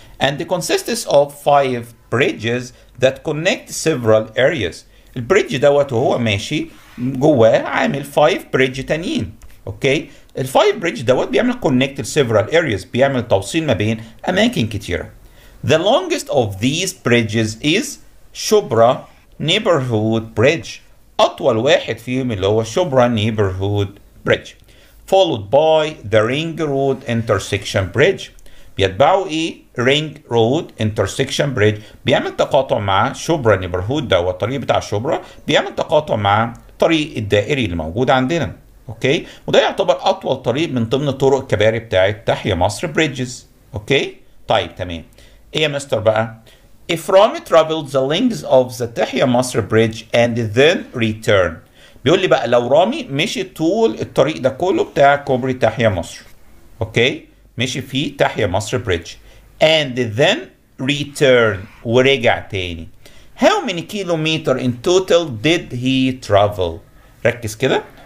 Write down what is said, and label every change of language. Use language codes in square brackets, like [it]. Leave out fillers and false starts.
[en] And it consists of 5 bridges that connect several areas. [ar] البريدج دوت وهو ماشي جواه عامل 5 بريدج تانيين. اوكي؟ ال 5 بريدج دوت بيعمل [en] connect several areas، [ar] بيعمل توصيل ما بين أماكن كتيرة. [en] The longest of these bridges is Shubra neighborhood bridge. [ar] أطول واحد فيهم اللي هو شبرا neighborhood bridge. [en] Followed by the Ring Road Intersection Bridge. [ar] بيتبعوا ايه؟ Ring Road Intersection Bridge. بيعمل تقاطع مع شبرا neighborhood ده والطريق بتاع شبرا. بيعمل تقاطع مع طريق الدائري اللي موجود عندنا. اوكي؟ وده يعتبر اطول طريق من ضمن طرق الكباري بتاعت تحيا مصر Bridges. اوكي؟ طيب تمام. ايه يا مستر بقى؟ [en] If Rami traveled the length of the Tahya Misr Bridge and then returned. [ar] بيقول لي بقى لو رامي مشي طول الطريق ده كله بتاع كوبري تحيا مصر. اوكي؟ مشي في تحيا مصر بريدج. [en] And then return [ar] ورجع تاني. [en] How many kilometers in total did he travel؟ [ar] ركز كده.